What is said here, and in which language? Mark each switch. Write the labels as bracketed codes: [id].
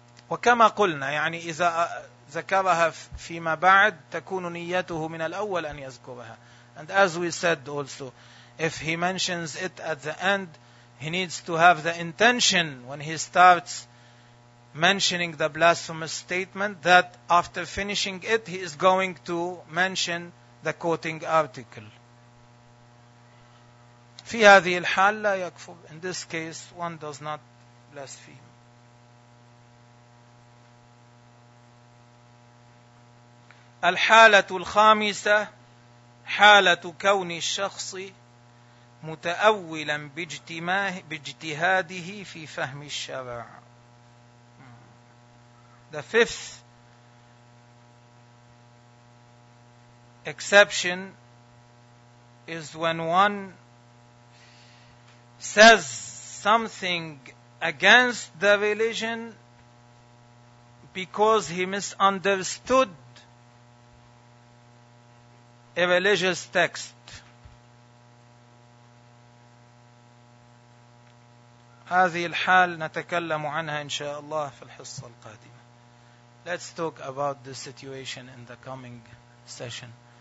[ar] وكما قلنا يعني إذا ذكرها فيما بعد تكون نيته من الأول أن يذكرها. [en] And as we said also, if he mentions it at the end, he needs to have the intention when he starts mentioning the blasphemous statement that after finishing it, he is going to mention the quoting article. [ar] في هذه الحال لا يكفر. [en] In this case, one does not blaspheme. [ar] الحالة الخامسة حالة كون الشخص متأولا باجتهاده في فهم الشرع. [en] The fifth exception is when one says something against the religion because he misunderstood a religious text. [ar] هذه الحال نتكلم عنها إن شاء الله في الحصة القادمة. [en] Let's talk about the situation in the coming session.